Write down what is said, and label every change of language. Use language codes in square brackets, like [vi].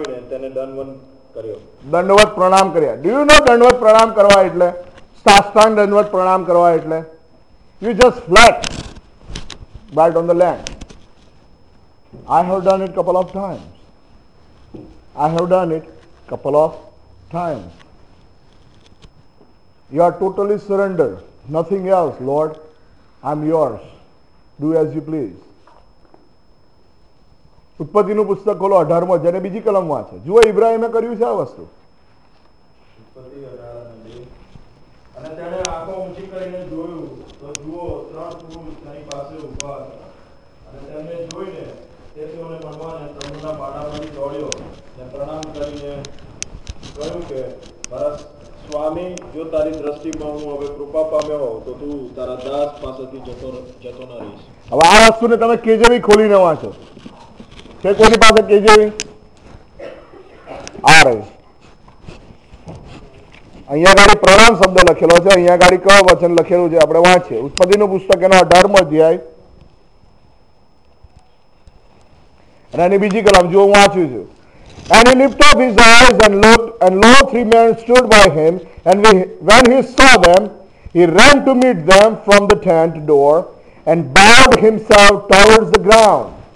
[gu] દંડવત પ્રણામ કર્યા. Do you know દંડવત પ્રણામ કરવા એટલે, સાષ્ટાંગ દંડવત પ્રણામ કરવા એટલે, you just flat byte on the land. [en] I have done it couple of times, I have done it couple of times. You are totally surrender, nothing else. Lord, I'm yours, do as you please. [gu] ઉત્પત્તિ નું પુસ્તક ખોલો 18મો, જેને બીજી કલમ વાંચે. જુઓ ઇબ્રાહીમે કર્યું છે આ વસ્તુ. ઉત્પત્તિ 18:2, અને તેણે આંખો ઊંચી કરીને જોયું તો જુઓ ત્રણ પુરુષ તેની પાસે ઊભા હતા, અને તેમને જોઈને તે તેઓને ભગવાને તમુના પાડામાંથી દોડ્યો ને પ્રણામ કરીને કહ્યું કે બરસ સ્વામી, જો તારી દ્રષ્ટિમાં હું હવે કૃપા પામ્યો હોઉં તો તું તારા દાસ પાસેથી જતો ન રહીશ. હવે આ વસ્તુને તમે કેજેવી ખોલીને વાંચો. કે કોની પાસે કેજેવી? આ રહી. અહીંયા ગાડી પ્રણામ શબ્દ લખેલો છે, અહીંયા ગાડી કયો વચન લખેલું છે આપણે વાંચીએ. ઉત્પત્તિનું પુસ્તક એનો 18મો અધ્યાય અને એની બીજી કલમ જો હું વાંચું છું. [en] And he lifted up his eyes and looked, and lo, three men stood by him. And when he saw them, he ran to meet them from the tent door and bowed himself towards the ground.